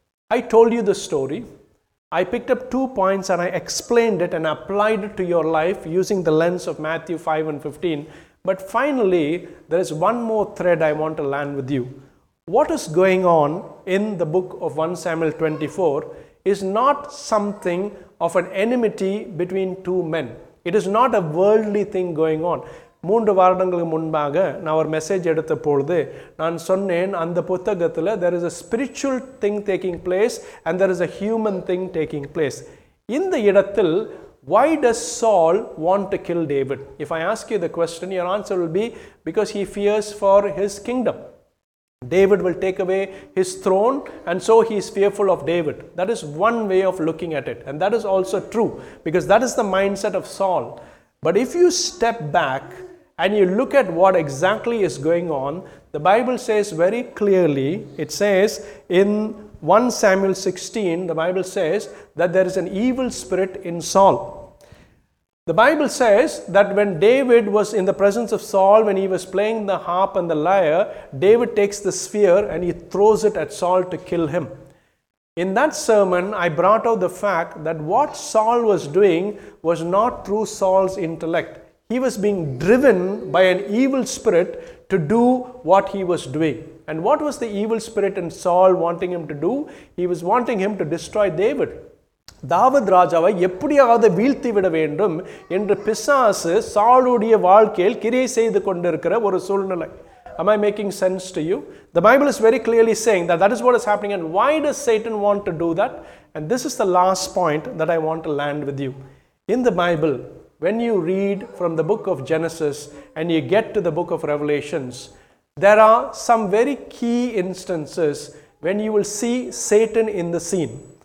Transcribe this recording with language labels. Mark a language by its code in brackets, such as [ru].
[en] I told you the story. I picked up 2 points and I explained it and applied it to your life using the lens of Matthew 5 and 15. But finally, there is one more thread I want to land with you. What is going on in the book of 1 Samuel 24 is not something of an enmity between two men. It is not a worldly thing going on. [ta] 3 வாரங்களுக்கு முன்பாக நான் ஒரு message எடுத்த பொழுது நான் சொன்னேன், அந்த புத்தகத்தில் [en] There is a spiritual thing taking place and there is a human thing taking place. [ta] இந்த இடத்தில் [en] Why does Saul want to kill David? If I ask you the question, your answer will be because he fears for his kingdom. David will take away his throne and so he is fearful of David. That is one way of looking at it and that is also true because that is the mind set of Saul. But if you step back and you look at what exactly is going on, the Bible says very clearly, it says in 1 Samuel 16, the Bible says that there is an evil spirit in Saul. The Bible says that when David was in the presence of Saul, when he was playing the harp and the lyre, David takes the spear and he throws it at Saul to kill him. In that sermon, I brought out the fact that what Saul was doing was not through Saul's intellect. He was being driven by an evil spirit to do what he was doing. And what was the evil spirit in Saul wanting him to do? He was wanting him to destroy David. [ta] தாவத் ராஜாவை எப்படியாவது வீழ்த்தி விட வேண்டும் என்று பிசாசு சாலுடைய வாழ்க்கையில் கிரியை செய்து கொண்டிருக்கிற ஒரு சூழ்நிலை. [en] Am I making sense to you? The Bible is very clearly saying that that is what is happening. And why does Satan want to do that? And this is the last point that I want to land with you. In the Bible, when you read from the book of Genesis and you get to the book of Revelations, there are some very key instances when you will see Satan in the scene.